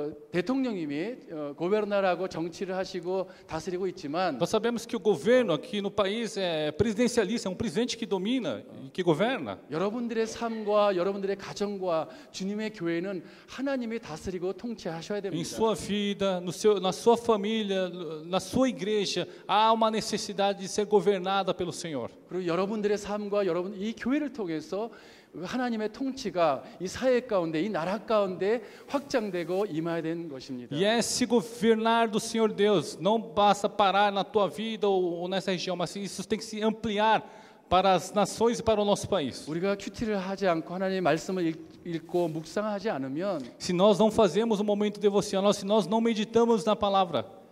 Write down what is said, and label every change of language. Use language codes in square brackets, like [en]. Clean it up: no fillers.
[ko] 대통령님이 governo라고 정치를 하시고 다스리고 있지만 [pt] Nós sabemos que o governo aqui no país é presidencialista, é um presidente que domina e que governa. [ko] 여러분들의 삶과 여러분들의 가정과 주님의 교회는 하나님이 다스리고 통치하셔야 됩니다. [pt] Em sua vida, no seu, na sua família, na sua igreja, há uma necessidade de ser governada pelo Senhor. [ko] 그리고 여러분들의 삶과 여러분 이 교회를 통해서 하나님의 통치가 이 사회 가운데 이 나라 가운데 확장되고 임해야 되는 것입니다. [en] Yes, [pt] governar do Senhor Deus não basta parar na tua vida ou nessa região, mas isso tem que se ampliar para as nações e para o nosso país. [ko] 우리가 큐티를 하지 않고 하나님의 말씀을 읽고 묵상하지 않으면 [pt] Se nós não fazemos um momento devocional, se nós não meditamos na palavra,